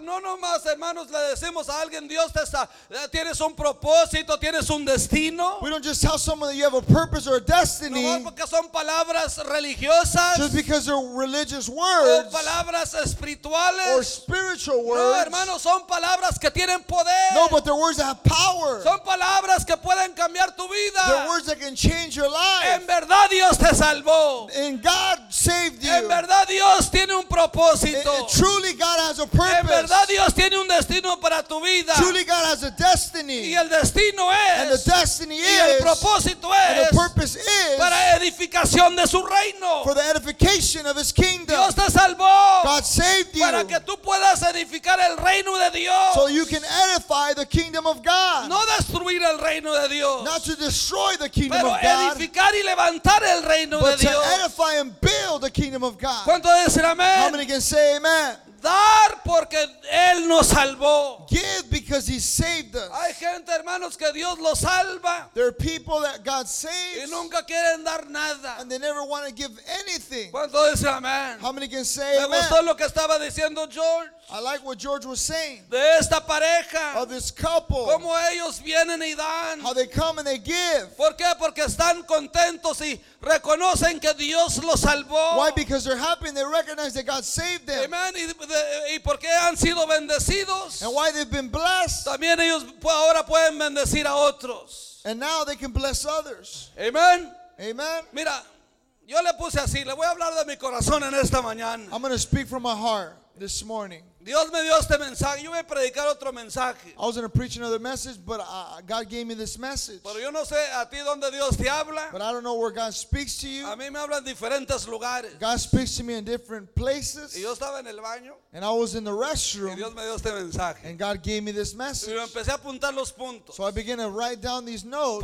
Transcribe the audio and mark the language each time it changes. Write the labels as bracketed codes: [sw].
[es] No nomás, hermanos, le decimos a alguien, Dios te está, tienes un propósito, tienes un destino. [en] We don't just tell someone that you have a purpose or a destiny. [es] No, porque son palabras religiosas. [en] Just because they're religious words. [es] O palabras espirituales. [en] Or spiritual words. [es] No, hermanos, son palabras que tienen poder. [en] No, but they're words that have power. [es] Son palabras que pueden cambiar tu vida. [en] They're words that can change your life. [es] En verdad, Dios te salvó. [en] In God saved you. [es] En verdad Dios tiene un propósito. [en] Truly God has a purpose. [es] En verdad Dios tiene un destino para tu vida. [en] Truly God has a destiny. [es] Y el destino es. [en] And the destiny [es] y el propósito [en] is. [es] Es. [en] And the purpose is. [es] Para edificación de su reino. [en] For the edification of his kingdom. [es] Dios te salvó. [en] God saved you. [es] Para que tú puedas edificar el reino de Dios. [en] So you can edify the kingdom of God. [es] No destruir el reino de Dios. [en] Not to destroy the kingdom [es] pero [en] of God. [es] Pero edificar y levantar el reino de Dios. [en] But to edify and build the kingdom of God. [es] ¿Cuánto dicen amén? [en] How many can say amen? [es] Dar porque él nos salvó. [en] Give because he saved us. [es] Hay gente, hermanos, que Dios los salva. [en] There are people that God saves. [es] Y nunca quieren dar nada. [en] And they never want to give anything. [es] ¿Cuánto dicen amén? [en] How many can say amen? [es] Me gustó lo que estaba diciendo George. [en] I like what George was saying. [es] De esta pareja. [en] Of this couple. [es] Cómo ellos vienen y dan. [en] How they come and they give. [es] ¿Por qué? Porque están contentos y reconocen que Dios los salvó. [en] Why? Because they're happy and they recognize that God saved them. [es] Amen. Y por qué han sido bendecidos. [en] And why they've been blessed. [es] También ellos ahora pueden bendecir a otros. [en] And now they can bless others. [es] Amen. [en] Amen. [es] Mira, yo le puse así. Le voy a hablar de mi corazón en esta mañana. [en] I'm going to speak from my heart. This morning, [es] Dios me dio este mensaje. Yo voy a predicar otro mensaje. [en] I was going to preach another message, but God gave me this message. [es] Pero yo no sé a ti dónde Dios te habla. [en] But I don't know where God speaks to you. [es] A mí me habla en diferentes lugares. [en] God speaks to me in different places. [es] Y yo estaba en el baño. [en] And I was in the restroom. [es] Y Dios me dio este mensaje. [en] And God gave me this message. [es] Y yo empecé a apuntar los puntos. [en] So I began to write down these notes.